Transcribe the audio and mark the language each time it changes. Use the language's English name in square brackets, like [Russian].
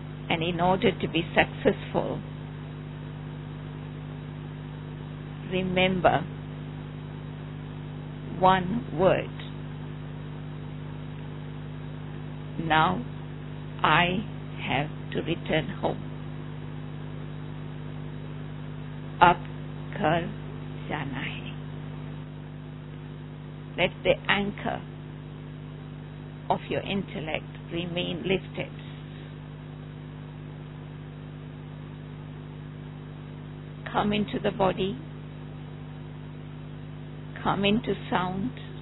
[English] And in order to be successful, remember one word. Now I have to return home. [Hindi] अब घर जाना है. [English] Let the anchor of your intellect remain lifted. Come into the body. Come into sound.